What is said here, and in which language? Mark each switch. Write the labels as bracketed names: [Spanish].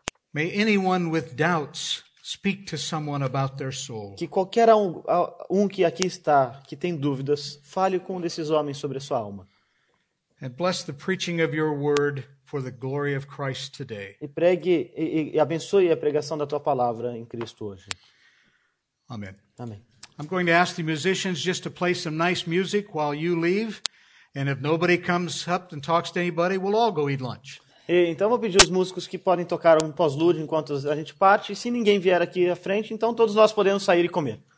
[English] May anyone with doubts speak to someone about their soul. [Portuguese] Que qualquer um que aqui está, que tem dúvidas, fale com um desses homens sobre a sua alma. [English] And bless the preaching of your word for the glory of Christ today. [Portuguese] E pregue e abençoe a pregação da tua palavra em Cristo hoje. [English] Amen. [Portuguese] Amém. [English] I'm going to ask the musicians just to play some nice music while you leave, and if nobody comes up and talks to anybody, we'll all go eat lunch. [Portuguese] E então vou pedir aos músicos que podem tocar um pós-lude enquanto a gente parte, e se ninguém vier aqui à frente, então todos nós podemos sair e comer.